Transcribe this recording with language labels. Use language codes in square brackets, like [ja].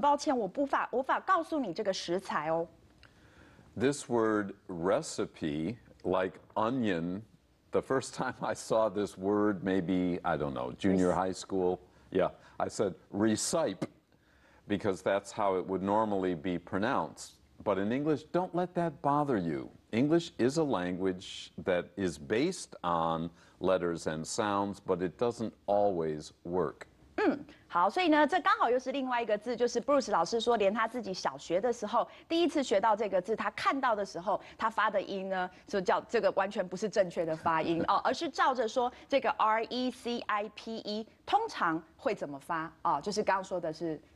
[zh] 我妈妈的苹果派食谱呢是家传秘方，所以很抱歉我无法告诉你这个食材哦。 [en] This word recipe, like onion, the first time I saw this word, maybe, I don't know, junior high school, yeah, I said recipe. Because that's how it would normally be pronounced. But in English, don't let that bother you. English is a language that is based on letters and sounds, but it doesn't always work. [zh] 好，所以呢，这刚好又是另外一个字，就是 Bruce 老师说，连他自己小学的时候第一次学到这个字，他看到的时候，他发的音呢，就叫这个完全不是正确的发音哦，而是照着说这个 recipe 通常会怎么发啊，就是刚刚说的是。